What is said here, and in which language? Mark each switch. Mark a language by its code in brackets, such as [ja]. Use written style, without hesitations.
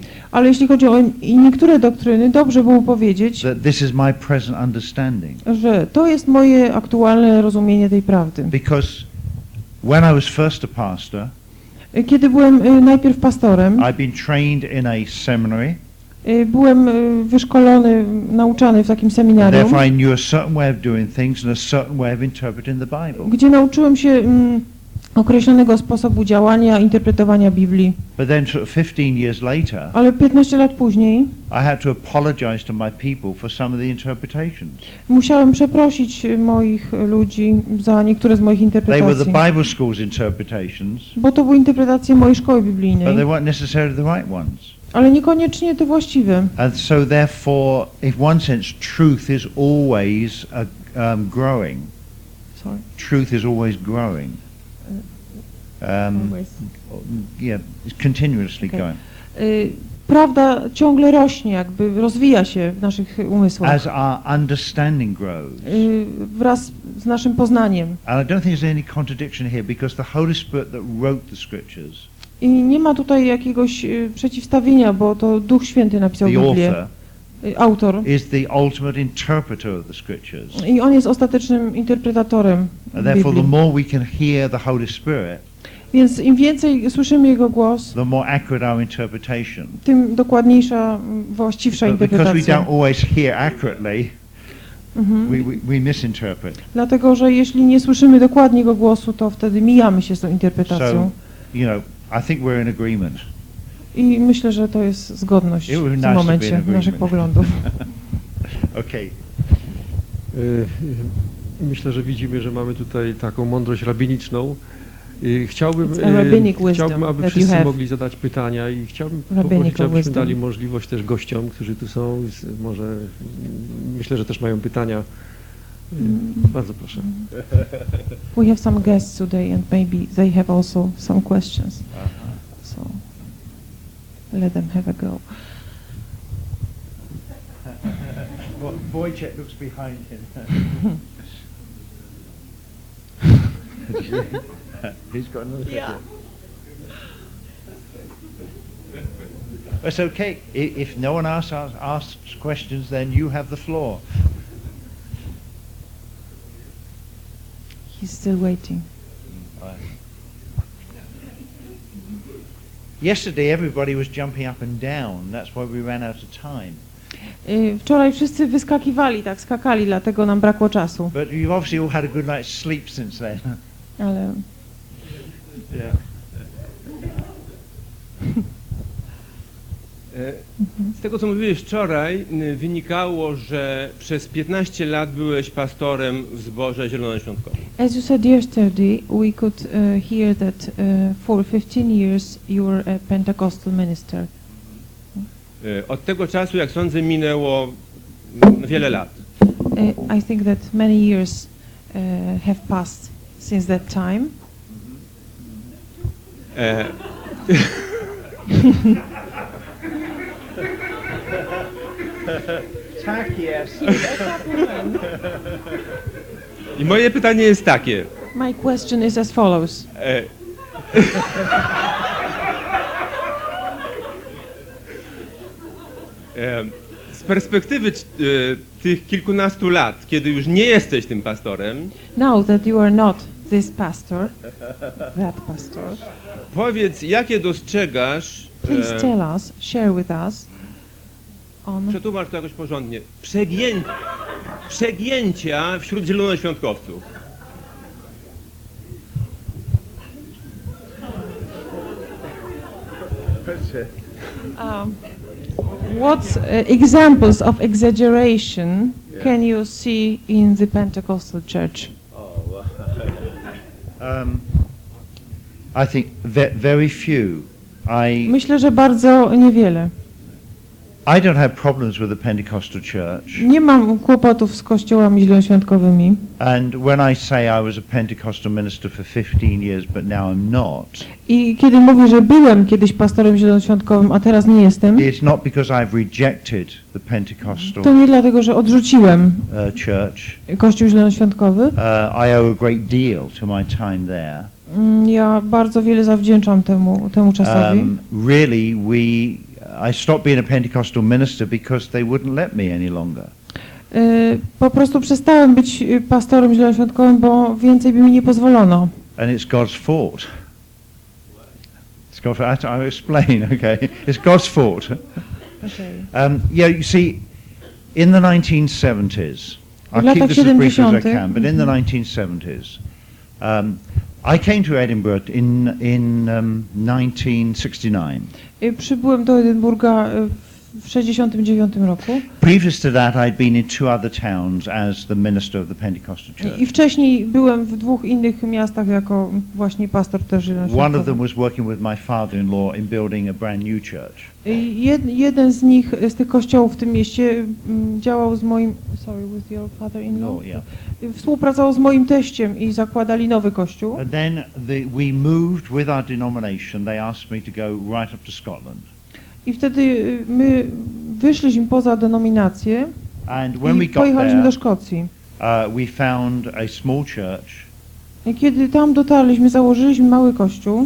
[pl] Ale jeśli chodzi o niektóre doktryny, dobrze było powiedzieć, [en] that this is my present understanding. [pl] Że to jest moje aktualne rozumienie tej prawdy. [en] Because when I was first a pastor, [pl] kiedy byłem najpierw pastorem, [en] I've been trained in a seminary. [pl] Byłem wyszkolony, nauczany w takim seminarium, gdzie nauczyłem się określonego sposobu działania, interpretowania Biblii. [en] But then, 15 years later, [pl] ale 15 lat później [en] I had to apologize to my people for some of the interpretations. [pl] Musiałem przeprosić moich ludzi za niektóre z moich interpretacji. [en] They were the Bible school's interpretations, [pl] bo to były interpretacje mojej szkoły biblijnej. [en] But they weren't necessarily the right ones. [pl] Ale niekoniecznie to właściwe. [en] And so therefore, if one sense truth is always growing. Sorry. Truth is always growing. It's continuously okay. Going. [pl] Prawda ciągle rośnie, jakby rozwija się w naszych umysłach. [en] As our understanding grows. [pl] Wraz z naszym poznaniem. [en] And I don't think there's any contradiction here because the Holy Spirit that wrote the scriptures. [pl] I nie ma tutaj jakiegoś przeciwstawienia, bo to Duch Święty napisał Biblię. Autor. [en] Is the ultimate interpreter of the scriptures. [pl] I on jest ostatecznym interpretatorem [en] and therefore, [pl] Biblii. [en] The more we can hear the Holy Spirit, [pl] więc im więcej słyszymy Jego głos, [en] the more accurate our interpretation. [pl] Tym dokładniejsza, właściwsza [en] but [pl] interpretacja. [en] Because we don't always hear accurately, we misinterpret. [pl] Dlatego, że jeśli nie słyszymy dokładnie Jego głosu, to wtedy mijamy się z tą interpretacją. [en] So, you know, I think we're in agreement. [pl] I myślę, że to jest zgodność w tym momencie naszych poglądów. Okay. Myślę, że widzimy, że mamy tutaj taką mądrość rabiniczną. Chciałbym, aby wszyscy mogli zadać pytania i chciałbym poprosić, abyśmy dali możliwość też gościom, którzy tu są. Może myślę, że też mają pytania. Bardzo proszę. [en] We have some guests today and maybe they have also some questions. Uh-huh. So let them have a go. Wojciech looks behind him. He's got another question. It's okay. If no one asks questions, then you have the floor. He's still waiting. Yesterday everybody was jumping up and down. That's why we ran out of time. [pl] Wczoraj wszyscy wyskakiwali, tak skakali, dlatego nam brakło czasu. [en] But you've obviously all had a good night's sleep since then. [pl] Ale. Z tego, co mówiłeś wczoraj, wynikało, że przez 15 lat byłeś pastorem w zborze zielonoświątkowym. [en] As you said yesterday, we could hear that for 15 years you were a Pentecostal minister. [pl] Od tego czasu, jak sądzę, minęło wiele lat. [en] I think that many years have passed since that time. [pl] Tak jest. I moje pytanie jest takie. [en] My question is as follows. [pl] Z perspektywy tych kilkunastu lat, kiedy już nie jesteś tym pastorem. [en] Now that you are not this pastor, that pastor. [pl] Powiedz, jakie dostrzegasz? [en] Please tell us, share with us. [pl] Przetłumacz to jakoś porządnie. Przegięcia wśród zielonoświątkowców. [en] What examples of exaggeration can you see in the Pentecostal church? I think very few. [pl] Myślę, że bardzo niewiele. [en] I don't have problems with the Pentecostal church. [pl] Nie mam kłopotów z kościołami zielonoświątkowymi. [en] And when I say I was a Pentecostal minister for 15 years, but now I'm not. [pl] I kiedy mówię, że byłem kiedyś pastorem zielonoświątkowym, a teraz nie jestem. [en] It's not because I've rejected the Pentecostal. [pl] To nie dlatego, że odrzuciłem [en] church. [pl] Kościół zielonoświątkowy. [en] I owe a great deal to my time there. [pl] Ja bardzo wiele zawdzięczam temu czasowi. [en] Really, we I stopped being a Pentecostal minister because they wouldn't let me any longer. Po prostu przestałem być pastorem zielonoświątkowym, bo więcej by mi nie pozwolono. And it's God's fault. It's God's fault. I'll explain, okay? It's God's fault. Okay. Yeah, you see, in the 1970s, I'll keep this as brief as I can, but in the 1970s, I came to Edinburgh in 1969. [pl] Przybyłem do Edynburga w 69 roku. [en] Previous to that I'd been in two other towns as the minister of the Pentecostal Church. [pl] I wcześniej byłem w dwóch innych miastach jako właśnie pastor też zielonoświątkowy. [en] One of them was working with my father-in-law in building a brand new church. [pl] Jeden z nich z tych kościołów w tym mieście działał z moim [en] with your father-in-law. No, yeah. [pl] Współpracował z moim teściem i zakładali nowy kościół. [en] And then we moved with our denomination. They asked me to go right up to Scotland. [pl] I wtedy my wyszliśmy poza denominację i pojechaliśmy do Szkocji. [en] We found a small church. [pl] I kiedy tam dotarliśmy, założyliśmy mały kościół.